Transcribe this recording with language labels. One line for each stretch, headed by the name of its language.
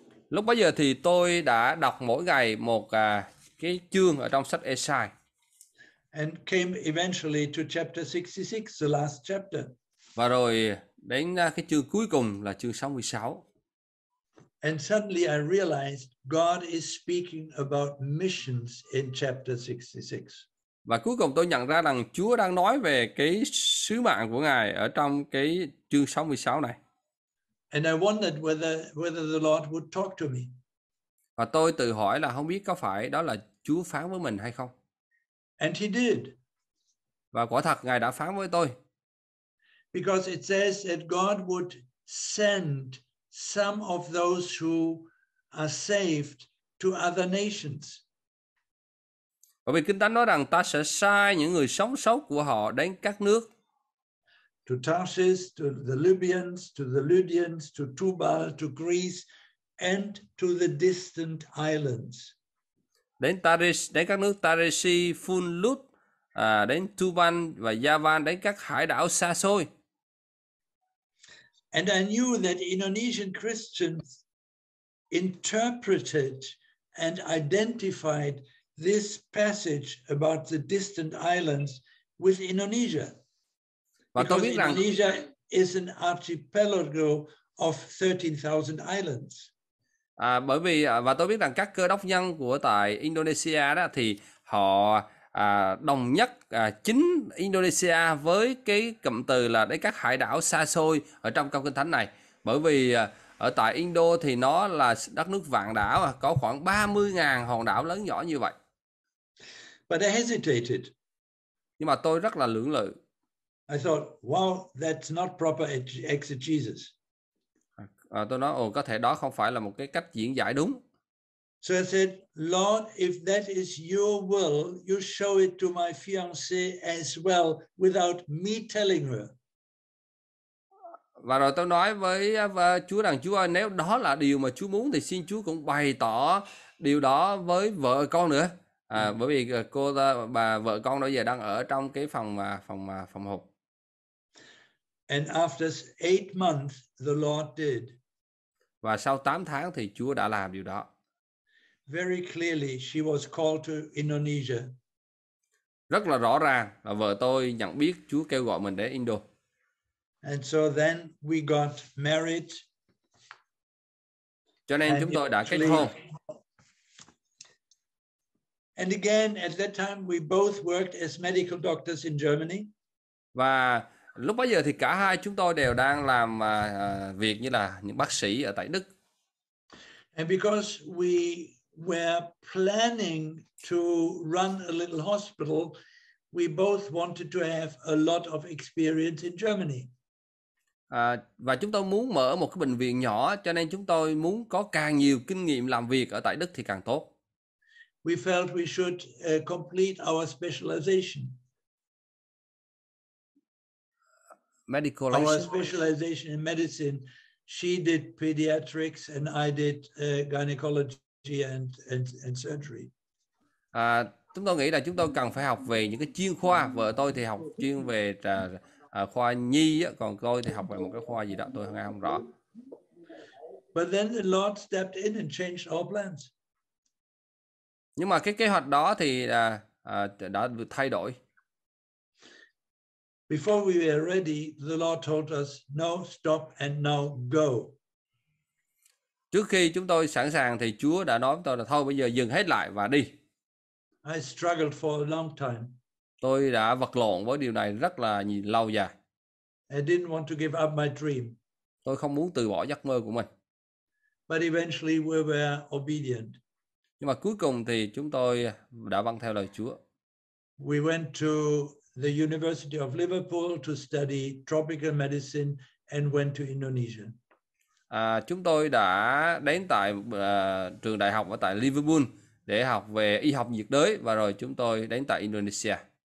Vietnamese: Lúc bấy giờ thì tôi đã đọc mỗi ngày một cái chương ở trong sách Esai.
English: And came eventually to chapter 66, the last chapter.
Vietnamese: Và rồi đến cái chương cuối cùng là chương 66.
English: And suddenly I realized God is speaking about missions in chapter 66.
Vietnamese: Và cuối cùng tôi nhận ra rằng Chúa đang nói về cái sứ mạng của Ngài ở trong cái chương 66 này.
English: And I wondered whether the Lord would talk to me.
Vietnamese: Và tôi tự hỏi là không biết có phải đó là Chúa phán với mình hay không.
English: And he did.
Vietnamese: Và quả thật Ngài đã phán với tôi.
English: Because it says that God would send some of those who are saved to other nations.
Vietnamese: Bởi vì Kinh Thánh nói rằng ta sẽ sai những người sống sót của họ đến các nước.
English: To Tarsus, to the Libyans, to the Lydians, to Tubal, to Greece, and to the distant islands.
Vietnamese: Đến Taris, đến các nước Tarisi, Phun Lut, đến Tuban và Javan, đến các hải đảo xa xôi.
English: And I knew that Indonesian Christians interpreted and identified this passage about the distant islands with Indonesia.
Vietnamese: Và tôi biết rằng
English: Indonesia is an archipelago of 13,000 islands.
Vietnamese: Và tôi biết rằng các Cơ Đốc nhân của tại Indonesia đó thì họ đồng nhất chính Indonesia với cái cụm từ là đấy các hải đảo xa xôi ở trong câu Kinh Thánh này. Bởi vì ở tại Indo thì nó là đất nước vạn đảo, có khoảng 30,000 hòn đảo lớn nhỏ như vậy.
English: But I hesitated.
Vietnamese: Nhưng mà tôi rất là lưỡng lự.
English: I thought, wow, that's not proper exegesis.
Vietnamese: Tôi nói, có thể đó không phải là một cái cách diễn giải đúng.
English: So I said, Lord, if that is your will, you show it to my fiance as well without me telling her.
Vietnamese: Và rồi tôi nói với Chúa rằng, Chúa ơi, nếu đó là điều mà Chúa muốn thì xin Chúa cũng bày tỏ điều đó với vợ con nữa. Bởi vì vợ con bây giờ đang ở trong cái phòng hộp.
English: And after 8 months, the Lord did.
Vietnamese: Và sau 8 tháng thì Chúa đã làm điều đó.
English: Very clearly, she was called to Indonesia.
Vietnamese: Rất là rõ ràng là vợ tôi nhận biết Chúa kêu gọi mình đến Indo.
English: And so then we got married.
Vietnamese: Cho nên chúng tôi đã kết hôn.
English: And again, at that time, we both worked as medical doctors in Germany.
Vietnamese: Và lúc bấy giờ thì cả hai chúng tôi đều đang làm việc như là những bác sĩ ở tại Đức.
English: And because we were planning to run a little hospital, we both wanted to have a lot of experience in Germany.
Vietnamese: Và chúng tôi muốn mở một cái bệnh viện nhỏ, cho nên chúng tôi muốn có càng nhiều kinh nghiệm làm việc ở tại Đức thì càng tốt.
English: We felt we should complete our specialization. Medicalization. Our specialization in medicine. She did pediatrics and I did gynecology and surgery.
Vietnamese: Chúng tôi nghĩ là chúng tôi cần phải học về những cái chuyên khoa. Vợ tôi thì học chuyên về khoa nhi, còn tôi thì học về một cái khoa gì đó tôi nghe không rõ.
English: But then the Lord stepped in and changed our plans.
Vietnamese: Nhưng mà cái kế hoạch đó thì đã được thay đổi.
English: Before we were ready, the Lord told us, no, stop and now go.
Vietnamese: Trước khi chúng tôi sẵn sàng thì Chúa đã nói với tôi là thôi bây giờ dừng hết lại và đi.
English: I struggled for a long time.
Vietnamese: Tôi đã vật lộn với điều này rất là lâu dài.
English: I didn't want to give up my dream.
Vietnamese: Tôi không muốn từ bỏ giấc mơ của mình.
English: But eventually we were obedient.
Vietnamese: Nhưng mà cuối cùng thì chúng tôi đã vâng theo lời Chúa.
English: We went to the University of Liverpool to study tropical medicine and went to Indonesia.
Vietnamese: Chúng tôi đã đến tại trường đại học ở tại Liverpool để học về y học nhiệt đới và rồi chúng tôi đến tại Indonesia.